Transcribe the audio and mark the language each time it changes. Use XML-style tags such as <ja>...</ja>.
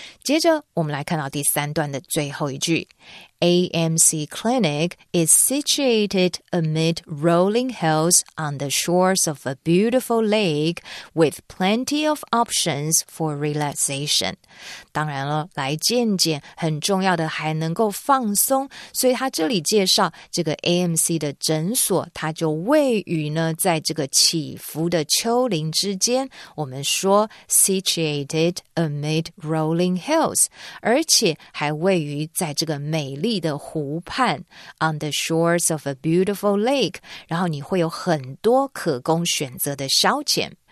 <zh>接着我们来看到第三段的最后一句。</zh> <en>AMC Clinic is situated amid rolling hills on the shores of a beautiful lake with plenty of options for relaxation.</en> <zh>当然了，来健检很重要的还能够放松，所以他这里介绍这个 AMC 的诊所，它就位于呢在这个起伏的丘陵之间。我们说</zh> <en>situated amid rolling hills,</en> <zh>而且还位于在这个美丽的湖畔</zh> <en>on the shores of a beautiful lake,</en> <zh>然后你会有很多可供选择的消遣。</zh>